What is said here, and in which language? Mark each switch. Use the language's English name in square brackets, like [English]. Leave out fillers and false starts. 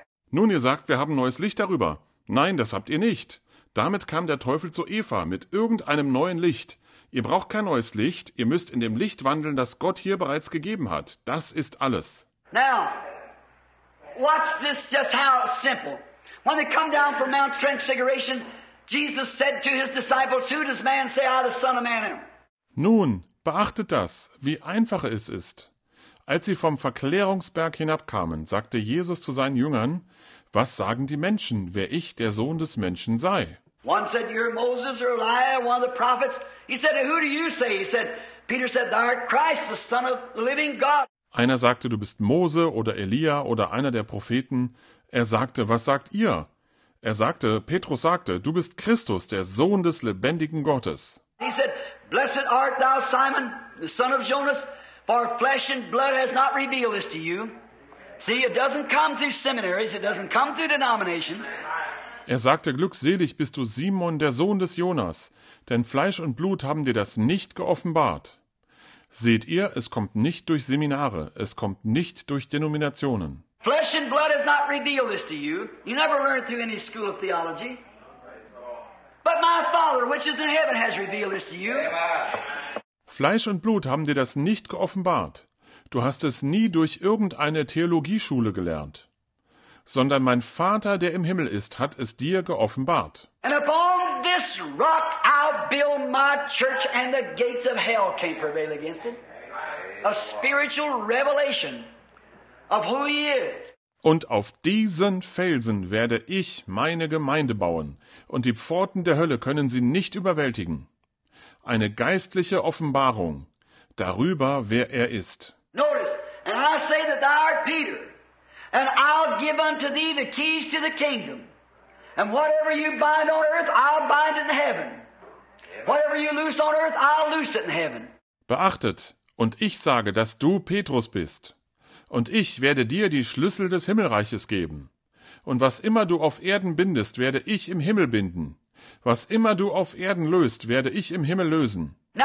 [German] Nun, ihr sagt, wir haben neues Licht darüber. Nein, das habt ihr nicht. Damit kam der Teufel zu Eva mit irgendeinem neuen Licht. Ihr braucht kein neues Licht. Ihr müsst in dem Licht wandeln, das Gott hier bereits gegeben hat. Das ist alles. [English] Now, watch this just how simple. When they come down from Mount Transfiguration, Jesus said to his disciples, who does man say I, the Son of Man am? [German] Nun, beachtet das, wie einfach es ist. Als sie vom Verklärungsberg hinabkamen, sagte Jesus zu seinen Jüngern, was sagen die Menschen, wer ich, der Sohn des Menschen, sei? [English] One said, you're Moses or Elijah, one of the prophets. He said, who do you say? Peter said, thou art Christ, the Son of the living God. [German] Einer sagte, du bist Mose oder Elia oder einer der Propheten. Er sagte, was sagt ihr? Er sagte, Petrus sagte, du bist Christus, der Sohn des lebendigen Gottes. [English] He said, blessed art thou, Simon, the son of Jonas, for flesh and blood has not revealed this to you. See, it doesn't come through seminaries, it doesn't come through denominations. [German] Er sagte, glückselig bist du, Simon, der Sohn des Jonas, denn Fleisch und Blut haben dir das nicht geoffenbart. Seht ihr, es kommt nicht durch Seminare, es kommt nicht durch Denominationen. [English] Flesh and blood has not revealed this to you. You never learned it through any school of theology. But my Father, which is in heaven, has revealed this to you. [German] Fleisch und Blut haben dir das nicht geoffenbart. Du hast es nie durch irgendeine Theologieschule gelernt. Sondern mein Vater, der im Himmel ist, hat es dir geoffenbart. [English] And upon this rock I'll build my church and the gates of hell can't prevail against it. A spiritual revelation. Of who he is. [German] Und auf diesen Felsen werde ich meine Gemeinde bauen, und die Pforten der Hölle können sie nicht überwältigen. Eine geistliche Offenbarung darüber, wer er ist. [English] Notice, and I say that thou art Peter, and I'll give unto thee the keys to the kingdom, and whatever you bind on earth, I'll bind in heaven. Whatever you loose on earth, I'll loose it in heaven. [German] Beachtet, und ich sage, dass du Petrus bist. Und ich werde dir die Schlüssel des Himmelreiches geben. Und was immer du auf Erden bindest, werde ich im Himmel binden. Was immer du auf Erden löst, werde ich im Himmel lösen.